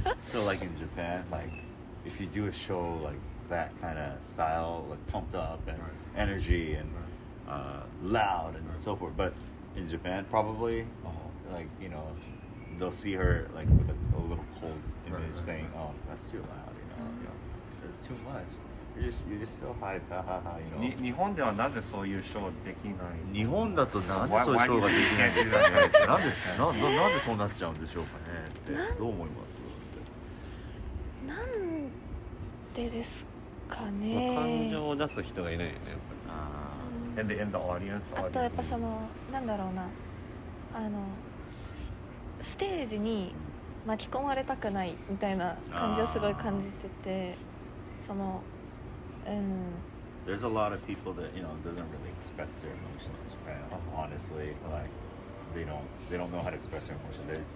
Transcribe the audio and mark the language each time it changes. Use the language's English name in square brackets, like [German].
[English] So like in Japan, like if you do a show likeThat kind of style, like pumped up and energy and loud and so forth. But in Japan, probably, like, you know, they'll see her like with a little cold image, right, saying, right. Oh, that's too loud, you know, that's too much. You're just so high, ha ha ha, you know. [Japanese] 日本ではなぜそういうショーできない？日本だとなんでそういうショーができないんですかね？なんでそうなっちゃうんでしょうかねって、どう思います？なんでですか？かね、感情を出す人がいないよね、やっぱり。 [English] And the audience, [Japanese] あとやっぱその、なんだろうな、ステージに巻き込まれたくないみたいな感じをすごい感じてて、その [English] There's a lot of people that, you know, doesn't really express their emotions in Japan, honestly. Like, they don't know how to express their emotions.